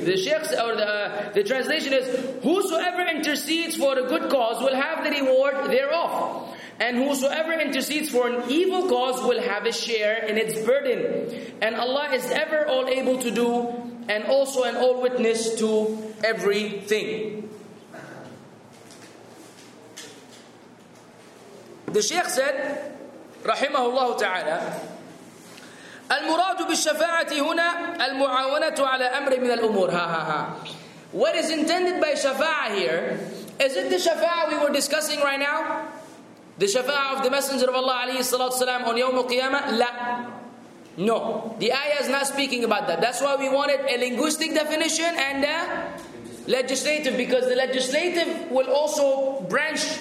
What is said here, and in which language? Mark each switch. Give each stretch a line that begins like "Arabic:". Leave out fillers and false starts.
English: The Shaykh's, the translation is, whosoever intercedes for a good cause will have the reward thereof. And whosoever intercedes for an evil cause will have a share in its burden. And Allah is ever all able to do, and also an all witness to everything. The Shaykh said,
Arabic: rahimahullah ta'ala, المراد بالشفاعة هنا المعاونة على أمر من الأمور.
English: What is intended by shafa'ah here? Is it the shafa'ah we were discussing right now? The shafa'ah of the Messenger of Allah
Arabic: عليه الصلاة والسلام
English: on
Arabic: يوم القيامة? لا.
English: No. The ayah is not speaking about that. That's why we wanted a linguistic definition and a legislative, because the legislative will also branch.